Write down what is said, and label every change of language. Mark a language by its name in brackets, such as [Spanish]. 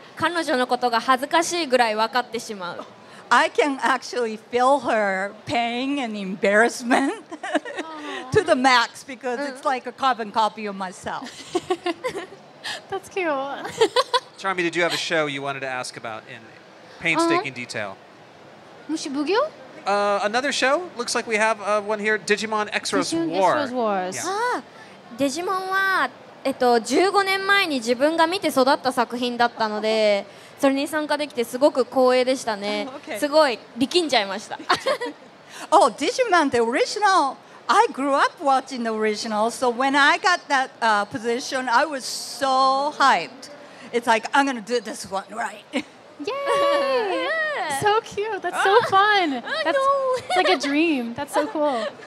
[Japanese] 彼女のことが恥ずかしいぐらい分かってしまう。 [English] I can actually feel her pain and embarrassment to the max because it's like a carbon copy of myself. That's cute. Charmy, did you have a show you wanted to ask about in painstaking detail? Mushi Bugyo? Another show? Looks like we have one here. Digimon Exros War. Digimon Exros Wars. [Japanese] Digimon は15年前に自分が見て育った作品だったのでそれに参加できてすごく光栄でしたね、 [English] okay. [Japanese] すごい力んじゃいました [English] Oh, Digimon, the original I grew up watching the original So when I got that position I was so hyped It's like, I'm gonna do this one right Yay! So cute, that's so fun That's it's like a dream, that's so cool